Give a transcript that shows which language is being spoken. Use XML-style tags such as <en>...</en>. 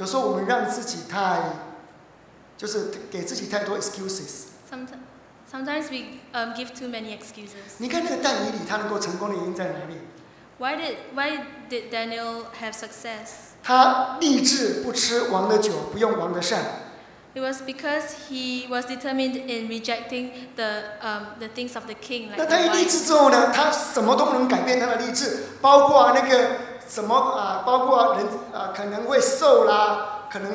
<zh>有时候我们对自己不够残忍。怎么说呢？有时候我们让自己太 就是给自己太多 excuses.</zh> <en>Sometimes we give too many excuses.</en> <zh>你看那个但以理，他能够成功的原因在哪里？</zh> <en>Why did Daniel have success?</en> <zh>他立志不吃王的酒，不用王的膳。</zh> <en>It was because he was determined in rejecting the things of the king.</en> <zh>那他一立志之后呢？他什么都能改变他的立志，包括那个什么啊，包括人啊，可能会瘦啦。</zh>